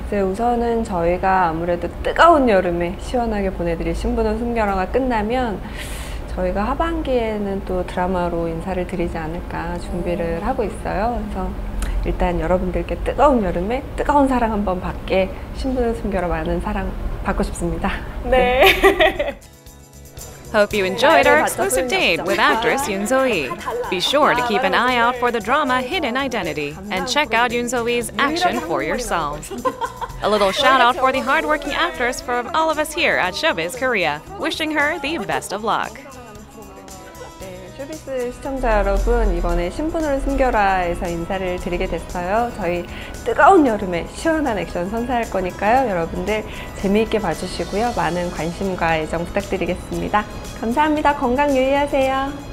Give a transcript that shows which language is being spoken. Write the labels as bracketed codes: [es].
[ko] 이제 우선은 저희가 아무래도 뜨거운 여름에 시원하게 보내드릴 신분을 숨겨라가 끝나면 저희가 하반기에는 또 드라마로 인사를 드리지 않을까 준비를 하고 있어요. 그래서 일단 여러분들께 뜨거운 여름에 뜨거운 사랑 한번 받게 신분을 숨겨라 많은 사랑 받고 싶습니다. 네. [en] Hope you enjoyed our exclusive date with actress Yoon So-hee. Be sure to keep an eye out for the drama Hidden Identity and check out Yoon So-hee's action for yourselves. A little shout out for the hardworking actress from all of us here at Showbiz Korea. Wishing her the best of luck. [ko] 쇼비스 시청자 여러분, 이번에 신분을 숨겨라에서 인사를 드리게 됐어요. 저희 뜨거운 여름에 시원한 액션 선사할 거니까요. 여러분들 재미있게 봐주시고요. 많은 관심과 애정 부탁드리겠습니다. 감사합니다. 건강 유의하세요.